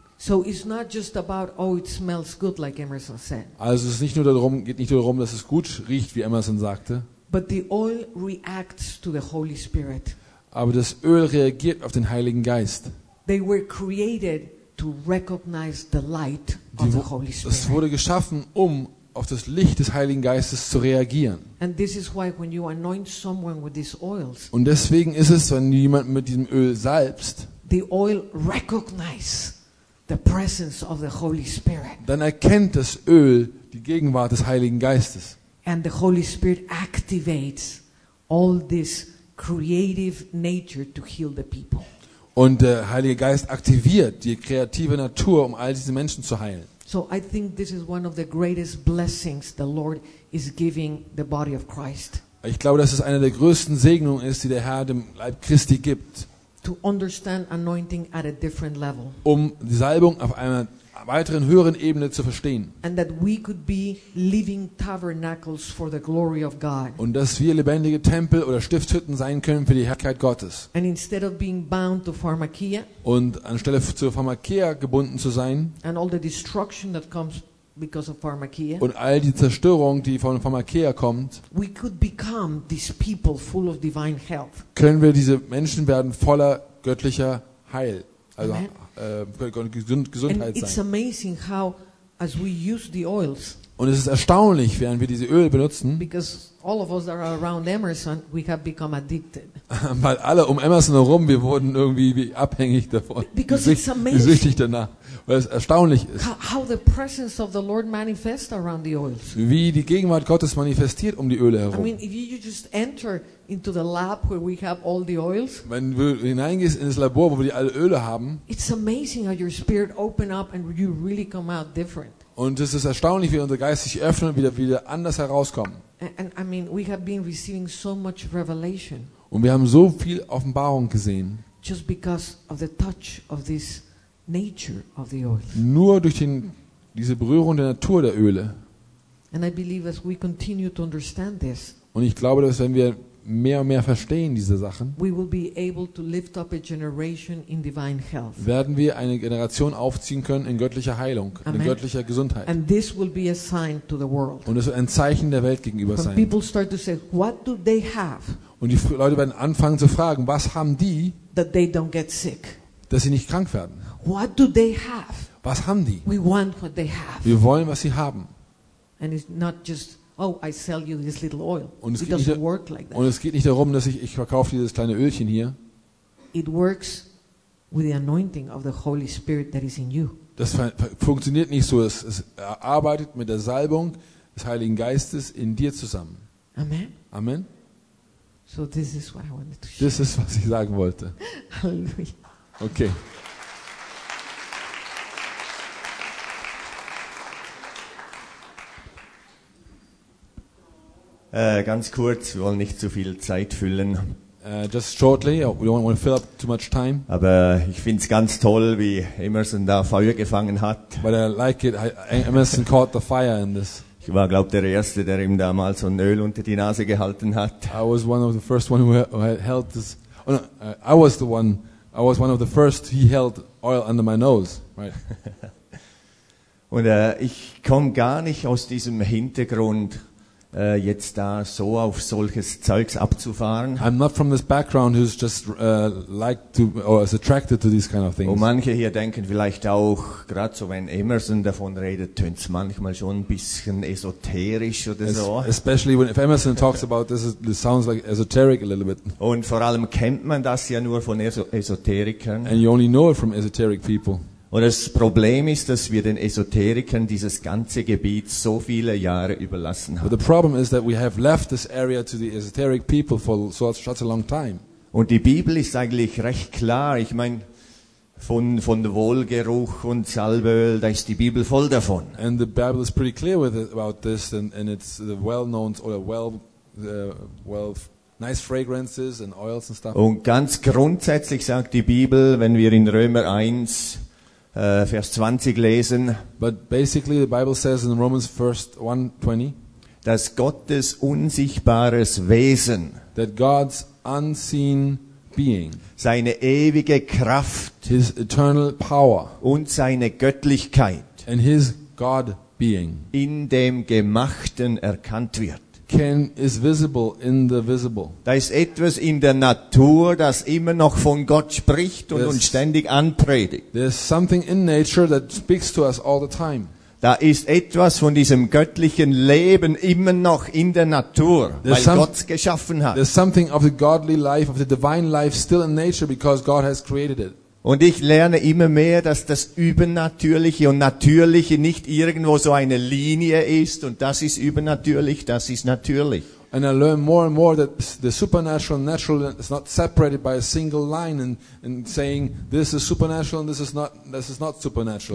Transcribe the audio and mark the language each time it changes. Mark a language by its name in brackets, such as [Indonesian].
[English] So it's not just about oh it smells good like Emerson said. [German] Also es geht nicht nur darum, dass es gut riecht, wie Emerson sagte. [English] But the oil reacts to the Holy Spirit. [German] Aber das Öl reagiert auf den Heiligen Geist. [English] They were created to recognize the light of the Holy Spirit. [German] Es wurde geschaffen, um auf das Licht des Heiligen Geistes zu reagieren. [English] And this is why when you anoint someone with these oils, [German] und deswegen ist es, wenn du jemanden mit diesem Öl salbst, [English] the oil recognize the presence of the Holy Spirit. [German] Dann erkennt das Öl die Gegenwart des Heiligen Geistes. [English] And the Holy Spirit activates all this creative nature to heal the people. [German] Und der Heilige Geist aktiviert die kreative Natur, um all diese Menschen zu heilen. [English] So I think this is one of the greatest blessings the Lord is giving the body of Christ. [German] Ich glaube, dass es eine der größten Segnungen ist, die der Herr dem Leib Christi gibt. [English] To understand anointing at a different level. [German] Um die Salbung auf einer weiteren höheren Ebene zu verstehen. [English] And that we could be living tabernacles for the glory of God. [German] Und dass wir lebendige Tempel oder Stiftshütten sein können für die Herrlichkeit Gottes. [English] And instead of being bound to pharmakia. [German] Und anstelle zur Pharmakia gebunden zu sein. [English] And all the destruction that comes because of pharmakia. [German] Und all die Zerstörung, die von Pharmakia kommt. [English] We could become these people full of divine health. [German] Können wir diese Menschen werden voller göttlicher Heil. Also Amen. Gesundheit sein. [English] It's amazing how, as we use the oils, [German] und es ist erstaunlich, während wir diese Öl benutzen, [English] because all of us that are around Emerson, we have become addicted. [German] Weil alle um Emerson herum, wir wurden irgendwie abhängig davon. [English] Because [German] süchtig, [English] it's amazing. [German] Süchtig danach, weil es erstaunlich ist. [English] How the presence of the Lord manifests around the oils. [German] Wie die Gegenwart Gottes manifestiert um die Öle herum. [English] I mean, if you just enter into the lab where we have all the oils. [German] Wenn du hineingehst in das Labor, wo wir alle Öle haben. [English] It's amazing how your spirit open up and you really come out different. [German] Und es ist erstaunlich, wie unser Geist sich öffnet und wieder anders herauskommen. [English] And I mean, we have been receiving so much revelation. [German] Und wir haben so viel Offenbarung gesehen. [English] Just because of the touch of this nature of the oil. [German] Nur durch diese Berührung der Natur der Öle. [English] And I believe as we continue to understand this. [German] Und ich glaube, dass wenn wir mehr und mehr verstehen diese Sachen, [English] we will be able to lift up a generation in divine health. [German] Werden wir eine Generation aufziehen können in göttlicher Heilung, in göttlicher Gesundheit. [English] And this will be a sign to the world. [German] Und es wird ein Zeichen der Welt gegenüber sein. [English] People start to say, what do they have? [German] Und die Leute werden anfangen zu fragen, was haben die, [English] that they don't get sick? [German] Dass sie nicht krank werden? [English] What do they have? [German] Was haben die? [English] We want what they have. [German] Wir wollen, was sie haben. [English] And it's not just, oh, I sell you this little oil. [German] Und es, [English] it doesn't work like that. [German] Und es geht nicht darum, dass ich verkaufe dieses kleine Ölchen hier. [English] It works with the anointing of the Holy Spirit that is in you. [German] Das funktioniert nicht so. Es arbeitet mit der Salbung des Heiligen Geistes in dir zusammen. [English] Amen. [German] Amen. [English] So this is what I wanted to share. [German] Das ist, was ich sagen wollte. Halleluja. Okay. Ganz kurz, wir wollen nicht zu viel Zeit füllen. [English] Just shortly, we don't want to fill up too much time. [German] Aber ich find's ganz toll, wie Emerson da Feuer gefangen hat. [English] But I like it. Emerson caught the fire in this. [German] Ich war, glaube der Erste, der ihm damals so ein Öl unter die Nase gehalten hat. [English] I was one of the first one who held this. Oh, no, I was the one. I was one of the first. He held oil under my nose. Right. [German] Und ich komme gar nicht aus diesem Hintergrund. Jetzt da so auf solches Zeugs abzufahren. [English] I'm not from this background who's just like to or is attracted to these kind of things. [German] Und manche hier denken vielleicht auch, gerade so wenn Emerson davon redet, tönt's manchmal schon ein bisschen esoterisch oder so. [English] Especially when if Emerson talks about this, it sounds like esoteric a little bit. [German] Und vor allem kennt man das ja nur von Esoterikern. [English] And you only know it from esoteric people. [German] Und das Problem ist, dass wir den Esoterikern dieses ganze Gebiet so viele Jahre überlassen haben. [English] But the problem is that we have left this area to the esoteric people for such a long time. [German] Und die Bibel ist eigentlich recht klar. Ich meine, von Wohlgeruch und Salböl, da ist die Bibel voll davon. [English] And the Bible is pretty clear with it, about this, and it's the well-known or well nice fragrances and oils and stuff. [German] Und ganz grundsätzlich sagt die Bibel, wenn wir in Römer 1 Vers 20 lesen. [English] But basically the Bible says in Romans 1:20, [German] dass Gottes unsichtbares Wesen, [English] that God's unseen being, [German] seine ewige Kraft, [English] his eternal power, [German] und seine Göttlichkeit, [English] and his God being, [German] in dem Gemachten erkannt wird. [English] Is visible in the visible. [German] Da ist etwas in der Natur, das immer noch von Gott spricht und uns ständig anpredigt. [English] There's something in nature that speaks to us all the time. [German] Da ist etwas von diesem göttlichen Leben immer noch in der Natur, weil Gott's geschaffen hat. [English] There's something of the godly life, of the divine life still in nature because God has created it. [German] Und ich lerne immer mehr, dass das Übernatürliche und Natürliche nicht irgendwo so eine Linie ist und das ist übernatürlich, das ist natürlich. [English] And I learn more and more that the supernatural and natural is not separated by a single line and saying this is supernatural and this is not supernatural.